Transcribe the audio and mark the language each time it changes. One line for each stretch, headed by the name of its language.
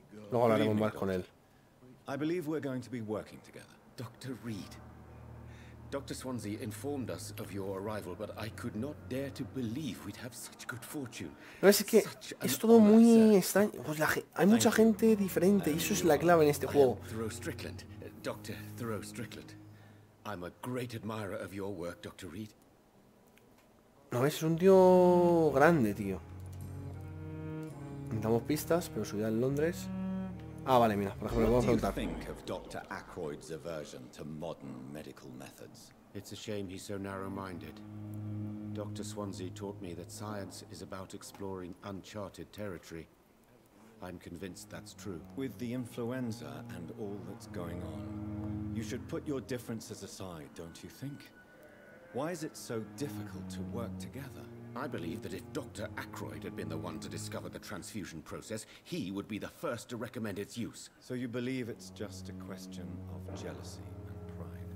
Spanish: Luego hablaremos más con él.
English: I believe we're going to be working together. Dr. Reed. Dr. Swansea informed us of your arrival, but I could not dare to believe we'd have such good fortune.
Spanish: No, es que es todo muy extraño. Pues hay mucha gente diferente y eso es la clave en este juego.
English: Thoreau Strickland. Dr. Thoreau Strickland. I'm a great admirer of your work, Dr. Reed.
Spanish: No es un tío grande, tío. Damos pistas, pero subía en Londres. Ah, vale, mira, por ejemplo, le voy a preguntar. ¿Qué piensas de Dr. Aykroyd's aversión a los métodos médicos modernos? Es una pena que sea tan narrow-minded. Dr. Swansea me enseñó que la ciencia es sobre explorar un territorio no chartado. Estoy convencido de que eso es verdad. Con la influenza y todo lo que está pasando, deberías poner tus diferencias aside, ¿no crees? ¿Por qué es tan difícil trabajar juntos?
English: I believe that if Dr. Aykroyd had been the one to discover the transfusion process, he would be the first to recommend its use. So you believe it's just a question of jealousy and pride?